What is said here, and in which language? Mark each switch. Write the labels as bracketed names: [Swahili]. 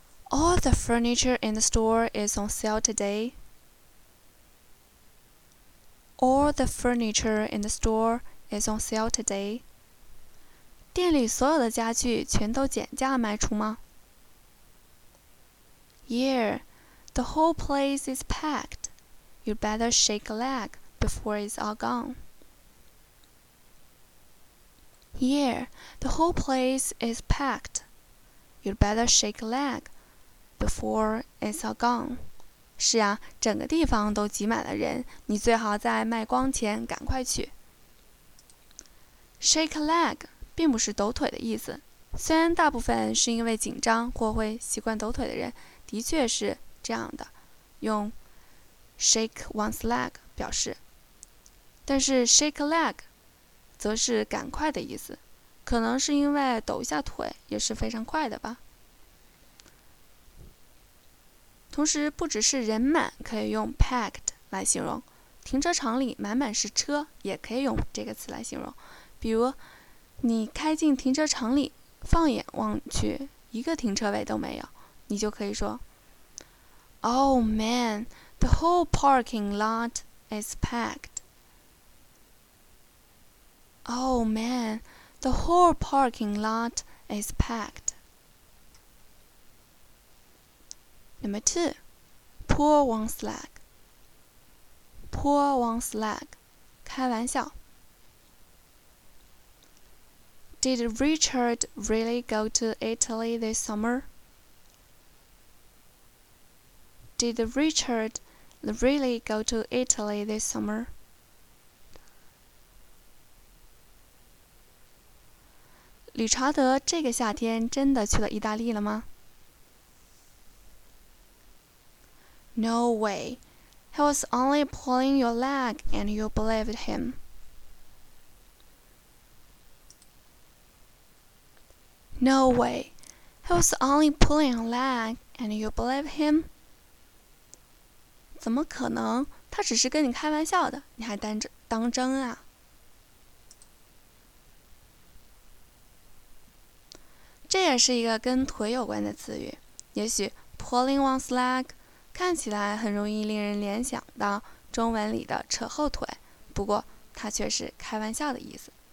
[English] All the furniture in the store is on sale today. All the furniture in the store is on sale today. [Chinese] 店里所有的家具全都减价卖出吗？ [English] Yeah, the whole place is packed. You'd better shake a leg before it's all gone. Yeah, the whole place is packed. You'd better shake a leg before it's all gone. [Chinese] 是啊，整个地方都挤满了人，你最好在卖光前赶快去。 [English] Shake a leg [Chinese] 并不是抖腿的意思，虽然大部分是因为紧张或会习惯抖腿的人的确是这样的，用 [English] shake one's leg [Chinese] 表示，但是 [English] shake a leg [Chinese] 则是赶快的意思，可能是因为抖一下腿也是非常快的吧。同时不只是人满，可以用 packed 来形容，停车场里满满是车也可以用这个词来形容。比如你开进停车场里，放眼望去一个停车位都没有，你就可以说 [English] Oh man, the whole parking lot is packed. Oh man, the whole parking lot is packed. Number two, pull one's leg. Pull one's leg, [Chinese] 开玩笑。 [English] Did Richard really go to Italy this summer? Did Richard really go to Italy this summer? [Chinese] 理查德这个夏天真的去了意大利了吗？ [English] No way. He was only pulling your leg and you believed him. No way. He was only pulling your leg and you believed him. [Chinese] 怎么可能？他只是跟你开玩笑的，你还当真啊？这也是一个跟腿有关的词语，也许 [English] pulling one's leg [Chinese] 看起来很容易令人联想到中文里的扯后腿，不过它却是开玩笑的意思。